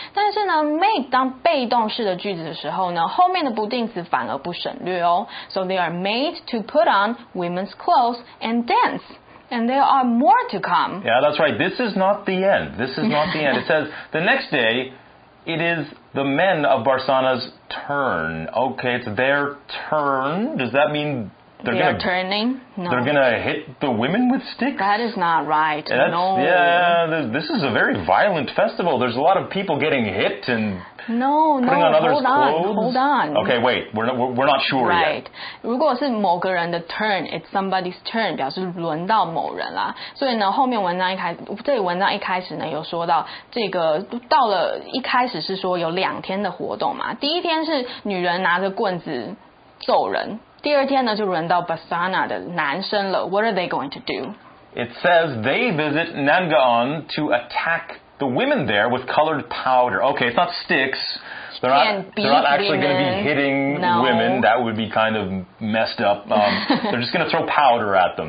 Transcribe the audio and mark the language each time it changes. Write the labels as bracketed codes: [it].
[zh] 但是呢 make 当被动式的句子的时候呢，后面的不定词反而不省略哦。 [en] So they are made to put on women's clothesand dance, and there are more to come. Yeah, that's right. This is not the end. This is not the end. It says, the next day, it is the men of Barsana's turn. Okay, it's their turn. Does that mean They're going to hit the women with sticks? That is not right. This is a very violent festival. There's a lot of people getting hit and putting on others' clothes. Hold on. Okay, wait. We're not sure right. yet. [zh] 如果是某个人的 turn, [en] it's somebody's turn, [zh] 表示轮到某人啦。所以呢后面文章一开始，这里文章一开始呢有说到这个到了一开始是说有两天的活动嘛。第一天是女人拿着棍子揍人。第二天呢就轮到 Bassana 的男生了。 [en] What are they going to do? It says they visit Nangaon to attack the women there with colored powder. Okay, it's not sticks. They're not actually going to be hitting women. That would be kind of messed up. they're just going to throw powder at them.